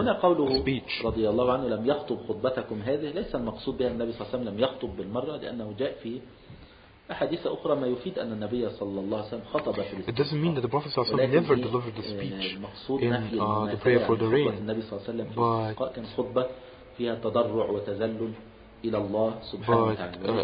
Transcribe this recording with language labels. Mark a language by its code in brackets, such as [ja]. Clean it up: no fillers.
[ar] هنا قوله رضي الله عنه لم يخطب خطبتكم هذه ليس المقصود بها النبي صلى الله عليه وسلم لم يخطب بالمرة لأنه جاء في حديث أخرى ما يفيد أن النبي صلى الله عليه وسلم خطب في [en] الاستسقاء. It doesn't mean that the Prophet [ar] صلى الله عليه وسلم [en] never delivered the speech in the prayer for the rain. [ar] النبي صلى الله عليه وسلم في الاستسقاء كان خطبة فيها تضرع وتذلل إلى الله سبحانه وتعالى.